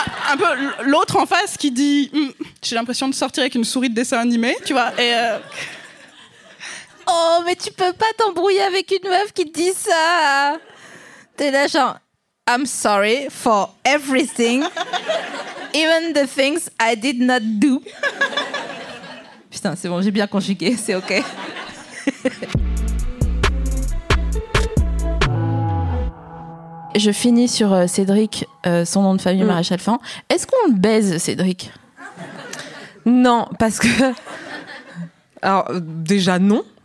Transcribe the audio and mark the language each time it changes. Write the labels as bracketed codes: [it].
[fr] un peu l'autre en face qui dit j'ai l'impression de sortir avec une souris de dessin animé, tu vois. Et Oh, mais tu peux pas t'embrouiller avec une meuf qui te dit ça. T'es là genre, [en] I'm sorry for everything, even the things I did not do. [fr] Putain, c'est bon, j'ai bien conjugué, c'est OK. Je finis sur Cédric, son nom de famille, Maréchal Fan. Est-ce qu'on le baise, Cédric? Non, parce que... Alors, déjà, non.